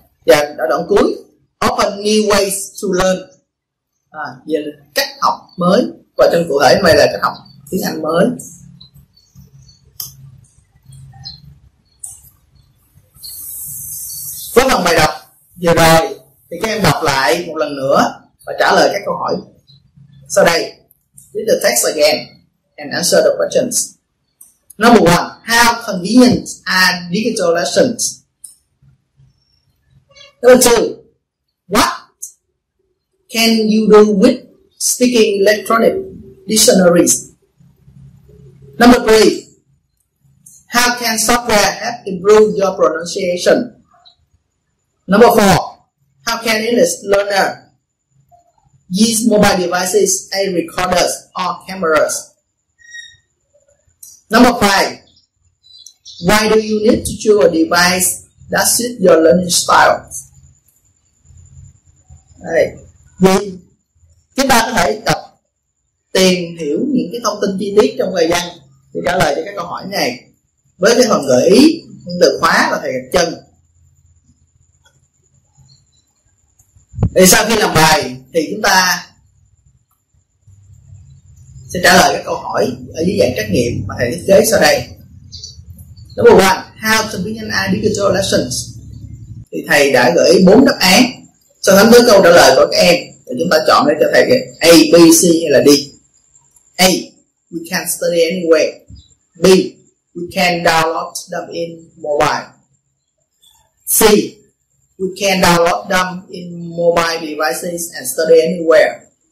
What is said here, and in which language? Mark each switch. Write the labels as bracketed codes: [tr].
[vi] Và ở đoạn cuối [en] open new ways to learn, [vi] về cách học mới, và trong cụ thể đây là cách học tiếng Anh mới. Với phần bài đọc vừa rồi thì các em đọc lại một lần nữa và trả lời các câu hỏi sau đây. [en] Read the text again and answer the questions. Number one, how convenient are digital lessons? Number two, what can you do with speaking electronic dictionaries? Number three, how can software help improve your pronunciation? Number four, how can English learner use mobile devices as recorders or cameras? Number five, why do you need to choose a device that suits your learning style? [vi] Đây, vì chúng ta có thể tập tìm hiểu những cái thông tin chi tiết trong bài văn để trả lời cho các câu hỏi này với cái phần gợi ý, những từ khóa và thầy gạch chân. Thì sau khi làm bài thì chúng ta sẽ trả lời các câu hỏi ở dưới dạng trắc nghiệm mà thầy thiết kế sau đây. [en] Number one, how to begin a digital lessons? [vi] Thì thầy đã gửi 4 đáp án. So sánh với câu trả lời của các em thì chúng ta chọn để cho thầy A, B, C hay là D. [en] A, we can study anywhere. B, we can download them in mobile. C, we can download them in mobile devices and study anywhere.